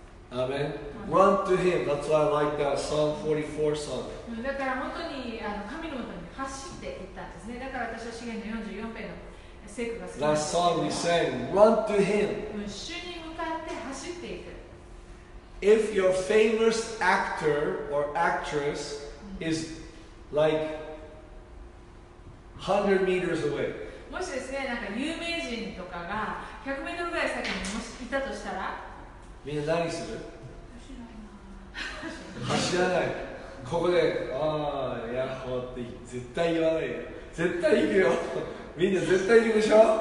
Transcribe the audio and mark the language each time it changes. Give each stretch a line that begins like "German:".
English: Amen. Run to him. That's why I like that Psalm 44 song.
Japanese: だから本当に神の元に走っていったんですね。だから私は詩篇の44篇の聖句が好きです。
English: That song is saying, run to him.
Japanese: 主に向かって走っていく。
English: If your famous actor or actress is like 100 meters away.
Japanese: もしですね、なんか有名人とかが100メートルぐらい先にもしいたとしたら、みんな何する？走らない。ここで、ああ、ヤッホーって絶対言わないよ。絶対行くよ。みんな絶対行くでしょ？